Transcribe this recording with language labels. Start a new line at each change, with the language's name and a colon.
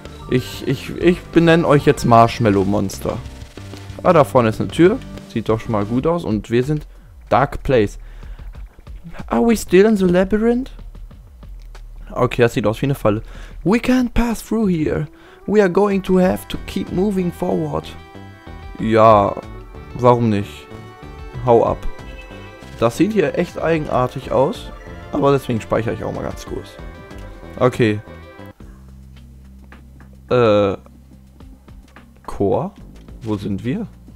German: Ich benenne euch jetzt Marshmallow-Monster. Ah, da vorne ist eine Tür. Sieht doch schon mal gut aus. Und wir sind Dark Place.
English: Are we still in the labyrinth?
German: Okay, das sieht aus wie eine Falle.
English: We can't pass through here. We are going to have to keep moving forward.
German: Ja, warum nicht? Hau ab. Das sieht hier echt eigenartig aus. Aber deswegen speichere ich auch mal ganz kurz. Okay. Chor? Wo sind wir?